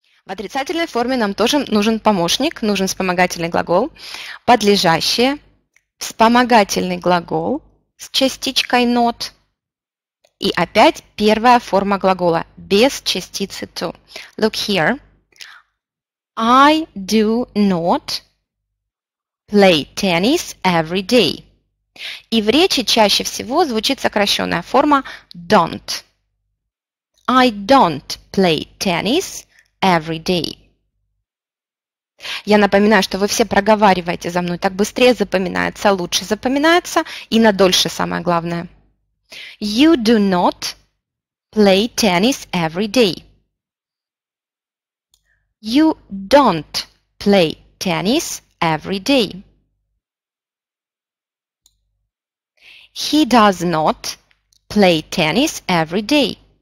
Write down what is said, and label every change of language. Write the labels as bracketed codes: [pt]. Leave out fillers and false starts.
[ru] В отрицательной форме нам тоже нужен помощник, нужен вспомогательный глагол. Подлежащее, вспомогательный глагол с частичкой [en] not. [ru] И опять первая форма глагола без частицы [en] to. Look here. I do not play tennis every day. [ru] И в речи чаще всего звучит сокращенная форма [en] don't. I don't play tennis every day. [ru] Я напоминаю, что вы все проговариваете за мной. Так быстрее запоминается, лучше запоминается и на дольше самое главное. [en] You do not play tennis every day. You don't play tennis every day. He does not play tennis every day.